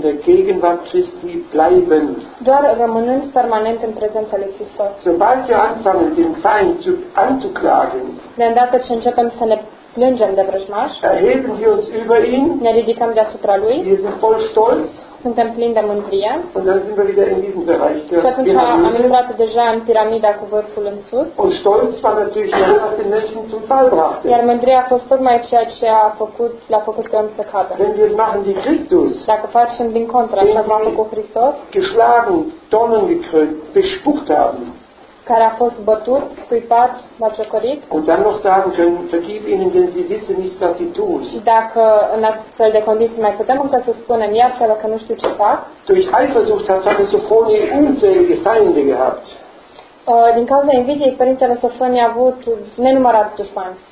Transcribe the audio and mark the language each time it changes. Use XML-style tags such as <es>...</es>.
<de>der Gegenwart Christi bleiben.</de> <ro>Doar rămânând permanent în prezența lui Hristos.</ro> <de>Sobald wir anfangen, den Feind anzuklagen,</de> <ro>de îndată ce începem să ne plângem de vrăjmaș,</ro> <de>erheben wir uns über ihn,</de> <ro>ne ridicăm deasupra lui,</ro> <de>wir sind voll stolz,</de> <ro>suntem plini de mândrie,</ro> <de>und dann sind wir wieder in diesem Bereich der Piramide.</de> <ro>Și atunci am intrat deja în piramida cu vârful în sus.</ro> <de>Und stolz war natürlich das, was den Menschen zum Fall brachte.</de> <ro>Iar mândria a fost tocmai ceea ce l-a făcut pe om să cadă.</ro> <de>Wenn wir machen wie Christus,</de> <ro>dacă facem din contra, așa cum a făcut Hristos,</ro> <de>geschlagen, Dornen gekrönt, bespuckt haben,</de> <ro>care a fost bătut, scuipat, macerit.</ro> <de>Und dann noch sagen können, vergib ihnen, denn sie wissen nicht, was sie tun.</de> <ro>Și dacă în astfel de condiții mai putem încă să spunem, iartă-le că nu știu ce fac.</ro> <de>Durch Eifersucht hat Vater Sofronie unzählige Feinde gehabt.</de> <ro>Din cauza invidiei, părintele Sofronie a avut nenumărați dușmani.</ro>